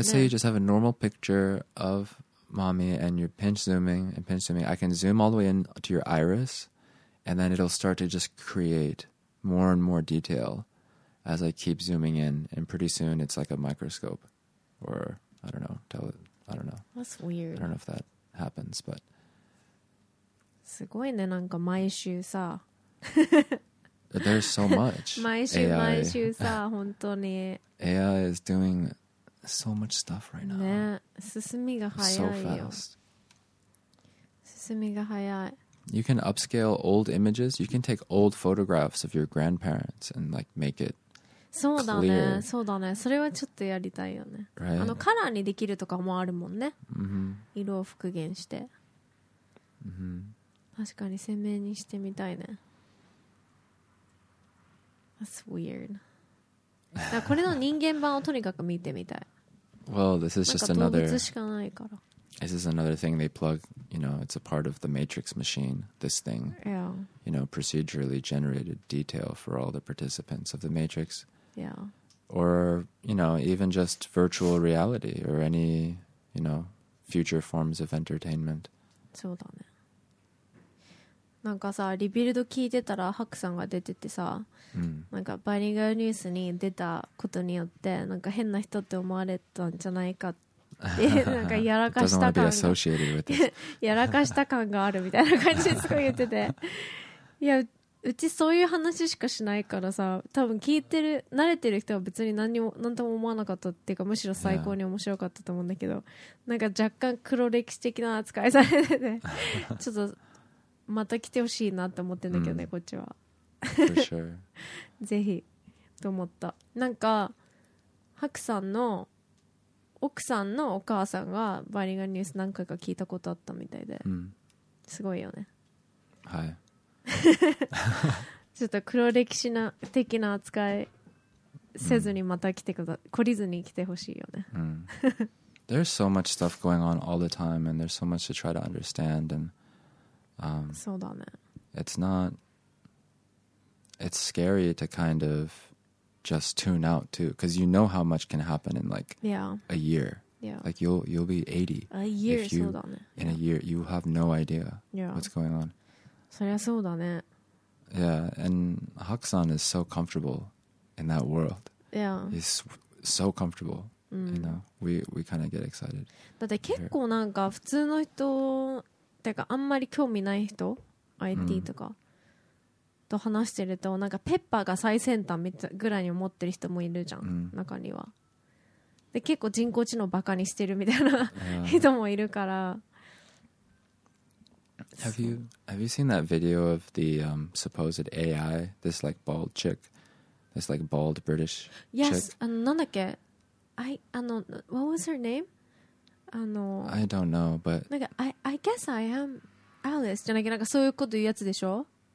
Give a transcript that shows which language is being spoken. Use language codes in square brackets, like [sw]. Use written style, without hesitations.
[en] Let's say you just have a normal picture of mommy and you're pinch zooming. I can zoom all the way in to your iris and then it'll start to just create more and more detail as I keep zooming in. And pretty soon it's like a microscope or I don't know. That's weird. I don't know if that happens, but. [ja] すごいね、なんか毎週さ。 [en] There's so much. [ja] 毎週毎週さ、本当に。AI [en] is doing so much stuff right now. [ja] ね、進みが早いよ。 [en] So fast. You can upscale old images. You can take old photographs of your grandparents and like make it [ja] そうだね、 [en] clear. [ja] そうだね。それはちょっとやりたいよね。 [en] Right. [ja] あのカラーにできるとかもあるもんね。 Mm-hmm. 色を復元して。 Mm-hmm. 確かに鮮明にしてみたいね。 [en] That's weird. [ja] だこれの人間版をとにかく見てみたい。 [en] Well, this is just another. [ja] なんか動物しかないから。 [en] This is another thing they plug. You know, it's a part of the Matrix machine. This thing, yeah. You know, procedurally generated detail for all the participants of the Matrix. Yeah. Or you know, even just virtual reality or any you know future forms of entertainment. [ja] そうだね。なんかさ、リビルド聞いてたらハクさんが出ててさ、なんかバイリンガルニュースに出たことによってなんか変な人って思われたんじゃないか。なんかやらかした感が やらかした感があるみたいな感じですごい言ってて、いやうちそういう話しかしないからさ、多分聞いてる慣れてる人は別に何にも何とも思わなかったっていうか、むしろ最高に面白かったと思うんだけど、なんか若干黒歴史的な扱いされてて、ちょっとまた来てほしいなって思ってんだけどね、こっちは [en] For sure [ja] ぜひと思った。なんかハクさんの奥さんのお母さんがバイリンガルニュース何回か聞いたことあったみたいで、すごいよね。はい。ちょっと黒歴史な的な扱いせずにまた来てください。懲りずに来てほしいよね。 [en] There's so much stuff going on all the time, and there's so much to try to understand. And, [ja] そうだね。 [en] It's scary to kind of. Just tune out too, because you know how much can happen in like yeah. a year. Yeah. Like you'll be 80. A year, if you, [ja] そうだね. [en] In a year, you have no idea yeah. what's going on. [ja] そりゃそうだね. [en] Yeah, and Haksan is so comfortable in that world. Yeah. He's so comfortable. You know, we kind of get excited. [ja] だって結構なんか普通の人ってかあんまり興味ない人 IT とか。と話してるとなんかペッパーが最先端みたいぐらいに思ってる人もいるじゃん、中にはで結構人工知能バカにしてるみたいな人もいるから [en] Have you seen that video of the supposed AI? This like bald chick This like bald British chick Yes, [ja] なんだっけ [en] What was her name? I don't know, but [ja] なんか [en] I guess I am Alice [ja] じゃなきゃなんかそういうこと言うやつでしょ。